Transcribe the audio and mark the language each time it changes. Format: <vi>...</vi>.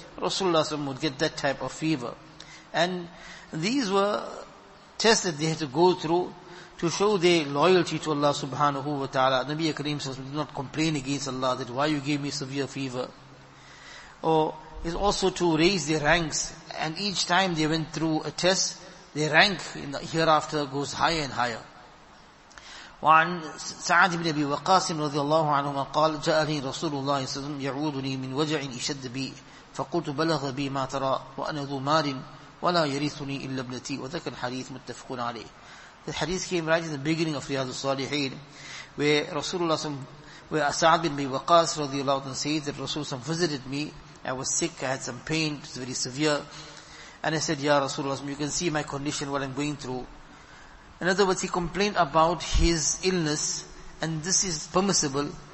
<en>Rasulullah ﷺ would get that type of fever. And these were tests that they had to go through to show their loyalty to Allah subhanahu wa ta'ala. Nabi Akram says, do not complain against Allah that why you gave me severe fever. Or is also to raise their ranks. And each time they went through a test, their rank in the hereafter goes higher and higher.</en> <ar>وعن سعد بن أبي وقاص رضي الله عنه قال جاءني رسول الله صلى الله عليه وسلم يعودني من وجع اشد بي فقلت بلغ بي ما ترى وانا ذو مال ولا يرثني الا ابنتي وذكر الحديث متفق عليه.</ar> <en>The hadith came right in the beginning of Riyadh al-Salihin, where Rasulullah صلى الله عليه وسلم, where Sa'd ibn Abi Waqas رضي الله عنه said that Rasulullah visited me, I was sick, I had some pain, it was very severe, and I said, ya Rasulullah, you can see my condition, what I'm going through. In other words, he complained about his illness, and this is permissible.</en>